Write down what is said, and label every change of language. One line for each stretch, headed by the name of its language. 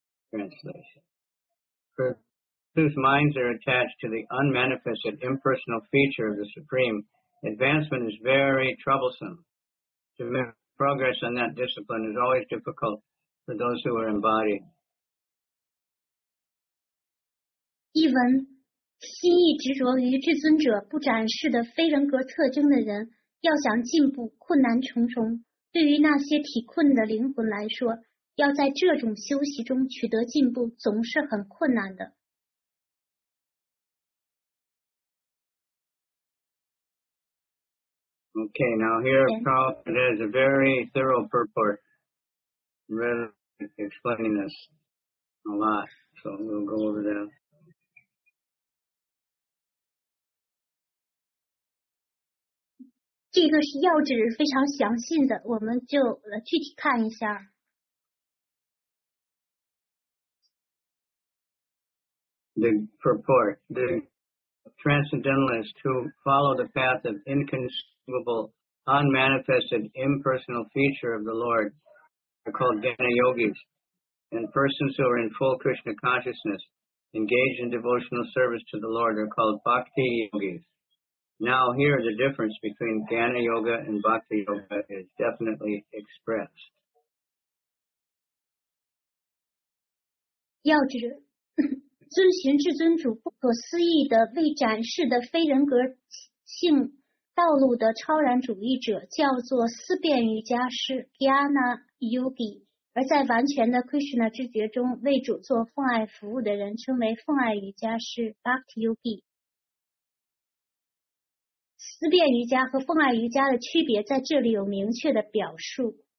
English: Translation. Whose minds are attached to the unmanifested impersonal feature of the Supreme, advancement is very troublesome. To make progress in that discipline is always difficult for those who are embodied.
Chinese: 译文：心意执着于至尊者不展示的非人格特征的人，要想进步，困难重重。对于那些体困的灵魂来说，要在这种休息中取得进步总是很困难的。
English: Okay, now here Prabhupada has a very thorough purport really explaining this a lot, so we'll go over that. This is
Chinese: 要旨非常详细的，我们就具体看一下。
English: The purport, the transcendentalist who follow the path of inconceivable, unmanifested, impersonal feature of the Lord are called Jnana Yogis, and persons who are in full Krishna consciousness, engaged in devotional service to the Lord are called Bhakti Yogis. Now here the difference between Jnana Yoga and Bhakti Yoga is definitely expressed.
Chinese: 要旨遵循至尊主不可思议的未展示的非人格性道路的超然主义者叫做思辨瑜伽师 Jnana Yogi 而在完全的 Krishna 知觉中为主做奉爱服务的人称为奉爱瑜伽师 Bhakti Yogi 思辨瑜伽和奉爱瑜伽的区别在这里有明确的表述